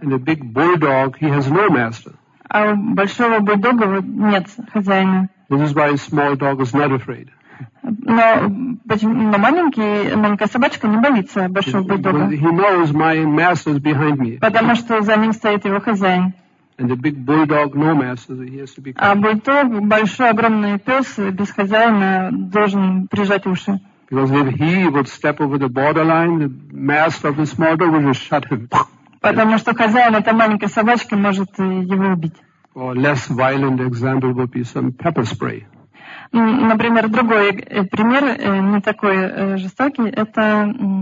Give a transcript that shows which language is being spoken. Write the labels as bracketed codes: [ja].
[en] And a big bulldog, he has no master. [ru] А у большого бульдога нет хозяина. [en] This is why a small dog is not afraid. [ru] Но маленькая собачка не боится большого бульдога. [en] He knows my master is behind me. [ru] Потому что за ним стоит его хозяин. [en] And the big bulldog, no master, he has to be. [ru] А бульдог, большой огромный пес без хозяина должен прижать уши. [en] Because if he would step over the borderline, the master of the small dog would just shut him. [ru] Потому что хозяин этой маленькой собачки может его убить. [en] Or less violent example would be some pepper spray. [ru] Например, другой пример не такой жестокий – это.